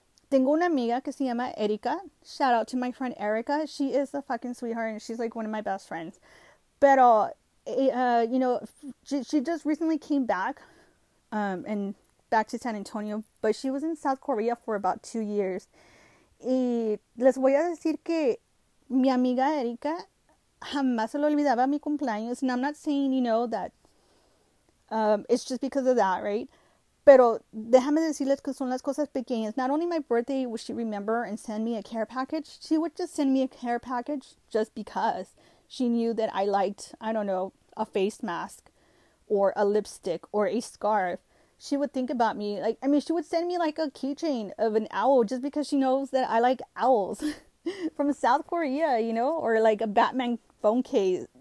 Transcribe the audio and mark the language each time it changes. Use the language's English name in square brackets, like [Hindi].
[Spanish] Tengo una amiga que se llama Erika. [English] Shout out to my friend Erika. She is a fucking sweetheart and she's like one of my best friends. Pero, you know, she just recently came back and back to San Antonio. But she was in South Korea for about 2 years. [Spanish] Y les voy a decir que mi amiga Erika jamás se lo olvidaba mi cumpleaños. [English] And I'm not saying, you know, that it's just because of that, right? [Spanish] Pero déjame decirles que son las cosas pequeñas. [English] Not only my birthday would she remember and send me a care package. She would just send me a care package just because she knew that I liked, I don't know, a face mask or a lipstick or a scarf. She would think about me. Like, I mean, she would send me like a keychain of an owl just because she knows that I like owls from South Korea, you know, or like a Batman phone case.